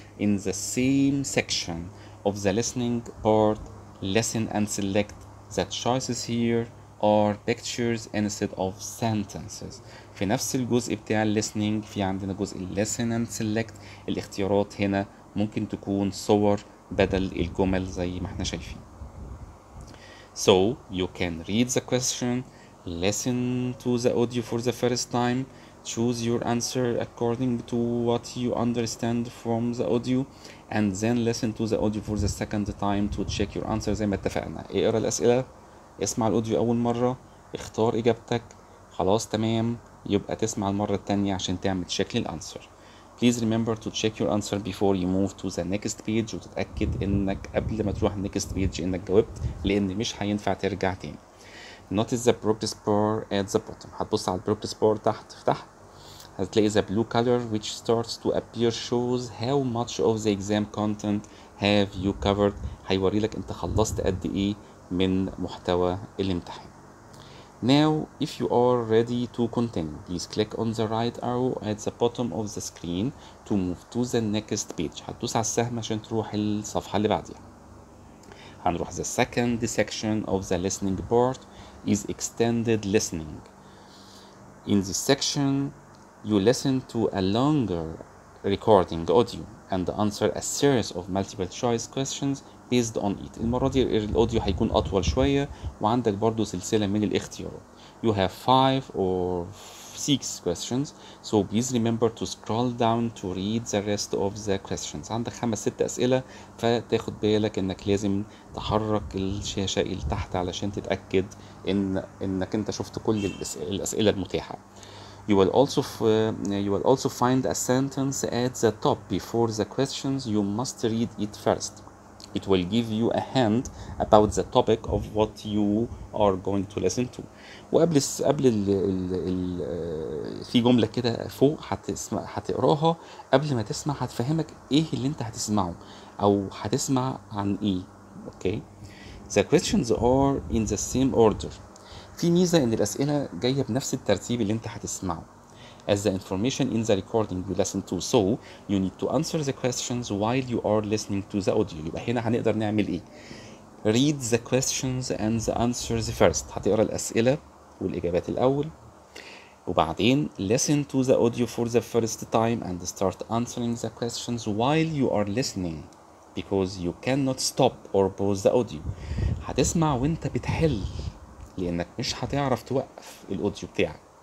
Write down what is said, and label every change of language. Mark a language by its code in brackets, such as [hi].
[en] In the same section of the listening part listen and select. The choices here are pictures instead of sentences. [ar] في نفس الجزء بتاع listening في عندنا جزء listen and select، الاختيارات هنا ممكن تكون صور بدل الجمل زي ما احنا شايفين. [en] So you can read the question, listen to the audio for the first time, choose your answer according to what you understand from the audio and then listen to the audio for the second time to check your answer. [ar] زي ما اتفقنا اقرأ الأسئلة، اسمع الأوديو أول مرة، اختار إجابتك، خلاص تمام يبقى تسمع المرة التانية عشان تعمل check للأنسر. [en] Please remember to check your answer before you move to the next page، [ar] وتتأكد انك قبل ما تروح next page انك جاوبت، لان مش هينفع ترجع تاني. [en] Notice the progress bar at the bottom، [ar] هتبص على progress bar تحت، افتح هتلاقي [en] the blue color which starts to appear shows how much of the exam content have you covered، [ar] هيوري لك انت خلصت قد ايه من محتوى الامتحان. [en] Now if you are ready to continue please click on the right arrow at the bottom of the screen to move to the next page، [ar] هتدوس على السهم عشان تروح الصفحة اللي بعديها. [en] هنروح the second section of the listening part is extended listening. In this section you listen to a longer recording audio and answer a series of multiple choice questions based on it. [ar] المرة دي الاوديو هيكون اطول شوية وعندك برضو سلسلة من الاختيارات. [en] You have 5 or 6 questions so please remember to scroll down to read the rest of the questions. [ar] عندك 5-6 أسئلة فتاخد بالك انك لازم تحرك الشاشة اللي تحت علشان تتأكد انك انت شفت كل الأسئلة المتاحة. [en] You will also find a sentence at the top before the questions. You must read it first. It will give you a hint about the topic of what you are going to listen to. [ar] وقبل قبل ال ال ال في جملة كده فوق هتسمع هتقراها قبل ما تسمع هتفهمك ايه اللي انت هتسمعه او هتسمع عن ايه. Okay. [en] The questions are in the same order. [ar] في ميزة ان الاسئلة جاية بنفس الترتيب اللي انت هتسمعه. [en] As the information in the recording you listen to, so you need to answer the questions while you are listening to the audio. [ar] يبقى هنا هنقدر نعمل ايه؟ [en] Read the questions and the answers first. [ar] هتقرأ الأسئلة والإجابات الأول. [en] وبعدين listen to the audio for the first time and start answering the questions while you are listening. Because you cannot stop or pause the audio. [ar] هتسمع وانت بتحل لأنك مش هتعرف توقف الأوديو بتاعك.